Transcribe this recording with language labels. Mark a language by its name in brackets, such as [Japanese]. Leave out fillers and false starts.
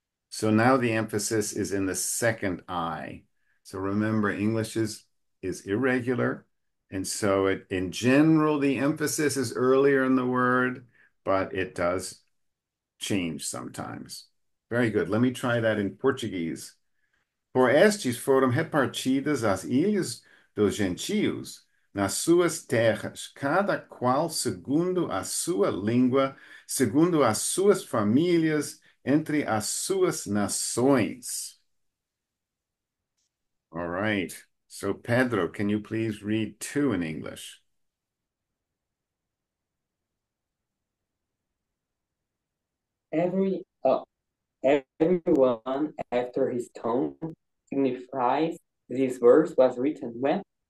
[English] So now the emphasis is in the second I. So remember, English is irregular. And so in general, the emphasis is earlier in the word, but it does change sometimes. Very good. Let me try that in Portuguese. [Portuguese] Por estes foram repartidas as ilhas dos gentios nas suas terras, cada qual segundo a sua língua, segundo as suas famílias, entre as suas nações. [English] All right. So, Pedro, can you please read two in English? Everyone after his tone signifies this verse was written when?